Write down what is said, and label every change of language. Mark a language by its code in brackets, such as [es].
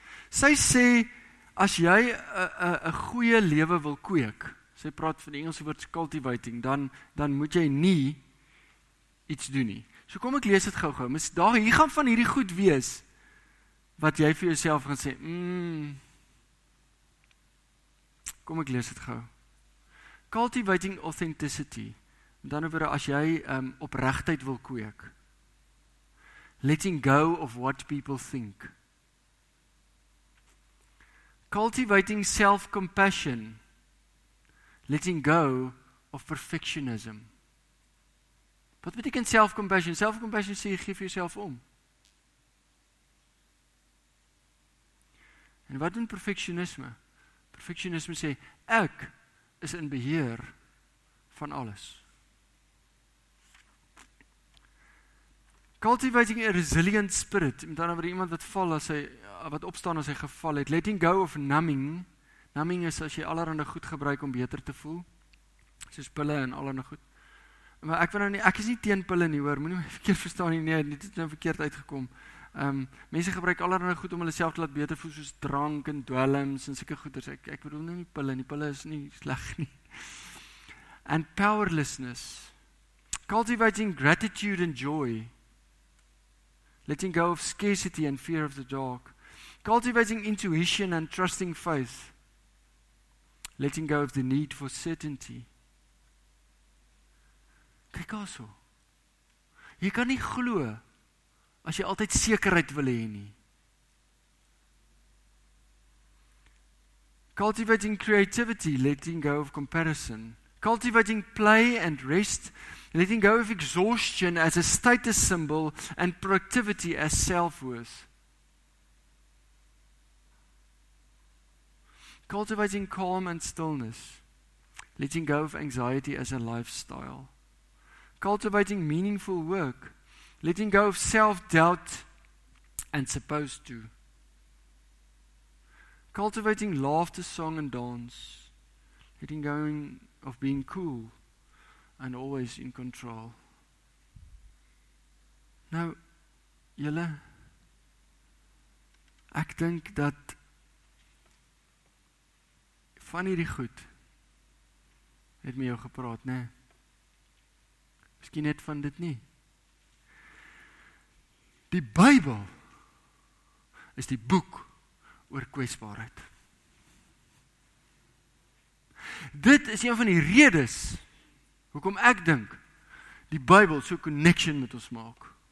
[af] Sy sê, as jy 'n goeie lewe wil kweek, sy praat van die Engelse woord cultivating, dan moet jy nie iets doen nie. So kom ek lees dit gou-gou. Mis daar hier gaan van hierdie goed wees, wat jy vir jouself gaan sê, kom ek lees dit gou. [en] Cultivating authenticity. [af] In ander woorde, as jy opregtheid wil kweek, [en] letting go of what people think. Cultivating self-compassion. Letting go of perfectionism. [af] Wat beteken self-compassion? Self-compassion sê, geef jouself om. En wat doen perfectionisme? Perfectionisme sê, ek is in beheer van alles. [en] Cultivating a resilient spirit, [af] met ander woorde iemand wat val as hy, wat opstaan as hy geval het. [en] Letting go of numbing. [af] Numbing is as jy allerhande goed gebruik om beter te voel. Soos pille en allerhande goed. Maar ek wil nou nie, ek is nie teen pille nie hoor, moenie my verkeerd verstaan nie, nee, dit het nou verkeerd uitgekom. Mense gebruik allerhande goed om hulle self te laat beter voel, soos drank en dwelms en sulke goeders. Ek bedoel nie die pille, die pille is nie sleg nie. [en] And powerlessness. Cultivating gratitude and joy. Letting go of scarcity and fear of the dark. Cultivating intuition and trusting faith. Letting go of the need for certainty. [af] Kyk also. Jy kan nie glo as jy altyd sekerheid wil hê nie. [en] Cultivating creativity, letting go of comparison. Cultivating play and rest. Letting go of exhaustion as a status symbol and productivity as self-worth. Cultivating calm and stillness. Letting go of anxiety as a lifestyle. Cultivating meaningful work. Letting go of self-doubt and supposed to. Cultivating laughter, song and dance. Letting go of being cool. And always in control. [af] Nou, julle, ek dink dat van hierdie goed het met jou gepraat, nê? Miskien net van dit nie. Die Bybel is die boek oor kwesbaarheid. Dit is een van die redes hoekom ek dink die Bybel so connection met ons maak.